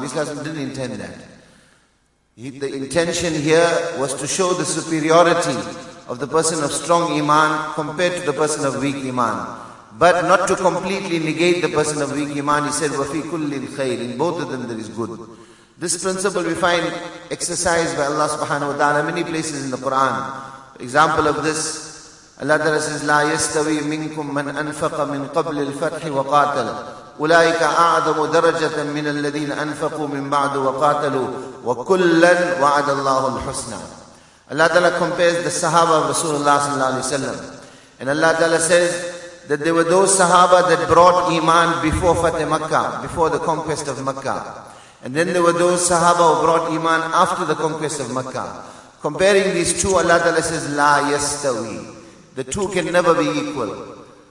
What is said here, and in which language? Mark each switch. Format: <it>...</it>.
<en>The Prophet didn't intend that. The intention here was to show the superiority of the person of strong iman compared to the person of weak iman. But not to completely negate the person of weak iman, he said,</en> <ar>وَفِي كُلِّ الْخَيْرِ.</ar> <en>In both of them there is good. This principle we find exercised by Allah subhanahu wa ta'ala many places in the Quran. Example of this, Allah Ta'ala says,</en> <ar>لَا يَسْتَوِي مِنْكُمْ مَنْ أَنْفَقَ مِنْ قَبْلِ الْفَتْحِ وَقَاتَلَ أُولَٰئِكَ أَعْظَمُ دَرَجَةً مِنَ الَّذِينَ أَنْفَقُوا مِنْ بَعْدُ وَقَاتَلُوا وَكُلًّا وَعَدَ اللَّهُ الْحُسْنَى.</ar> <en>Allah Ta'ala compares the Sahaba of Rasulullah sallallahu alayhi wa sallam. And Allah Ta'ala says that there were those Sahaba that brought Iman before Fatih Makkah, before the conquest of Makkah. And then there were those Sahaba who brought Iman after the conquest of Makkah. Comparing these two, Allah Ta'ala says,</en> <ar>لَا يَسْتَوِي.</ar> <en>The two can never be equal.</en>